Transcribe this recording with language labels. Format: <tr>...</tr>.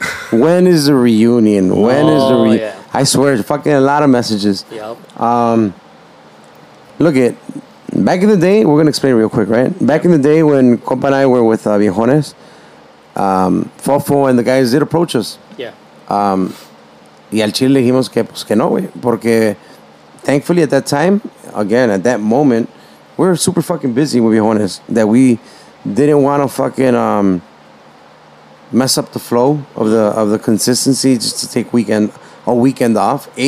<en>When is the reunion? I swear, fucking a lot of messages. Yep. Back in the day, we're going to explain real quick, right? Back in the day when Compa and I were with Viejones, Fofo and the guys did approach us. Yeah.</en> <es>Y al chile dijimos que, pues, que no, güey.</es> <en>Porque, thankfully, at that time, again, at that moment, we were super fucking busy with Viejones that we didn't want to fucking mess up the flow of the consistency just to take a weekend off.</en>